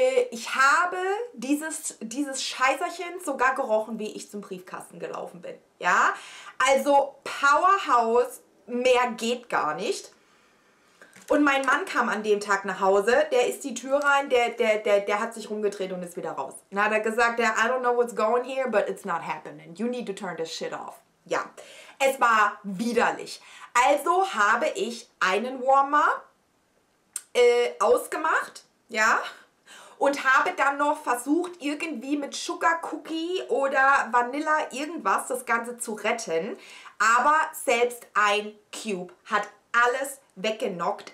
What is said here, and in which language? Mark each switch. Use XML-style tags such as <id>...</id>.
<de>Ich habe dieses Scheißerchen sogar gerochen, wie ich zum Briefkasten gelaufen bin. Ja? Also Powerhouse, mehr geht gar nicht. Und mein Mann kam an dem Tag nach Hause, der ist die Tür rein, der hat sich rumgedreht und ist wieder raus. Und hat er gesagt,</de> <en>I don't know what's going here, but it's not happening. You need to turn this shit off.</en> <de>Ja, es war widerlich. Also habe ich einen Warmer ausgemacht, ja, und habe dann noch versucht, irgendwie mit Sugar Cookie oder Vanilla irgendwas das Ganze zu retten. Aber selbst ein Cube hat alles weggenockt.</de>